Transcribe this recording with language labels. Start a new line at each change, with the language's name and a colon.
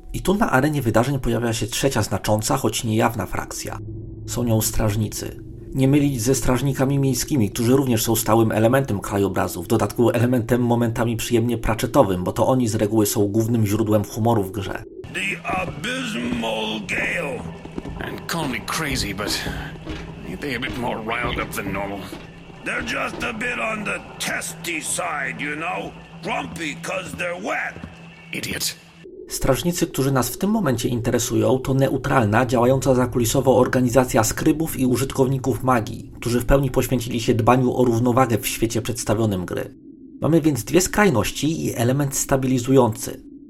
Polish: I tu na arenie wydarzeń pojawia się trzecia znacząca, choć niejawna frakcja. Są nią strażnicy. Nie mylić ze strażnikami miejskimi, którzy również są stałym elementem krajobrazu, w dodatku elementem momentami przyjemnie pratchettowym, bo to oni z reguły są głównym źródłem humoru w grze.
English: The Abysmal Gale. And call me crazy, but they a bit more riled up than normal. They're just a bit on the testy side, you know? Grumpy, 'cause they're wet. Idiot.
Polish: Strażnicy, którzy nas w tym momencie interesują, to neutralna, działająca zakulisowo organizacja skrybów i użytkowników magii, którzy w pełni poświęcili się dbaniu o równowagę w świecie przedstawionym gry. Mamy więc dwie skrajności i element stabilizujący.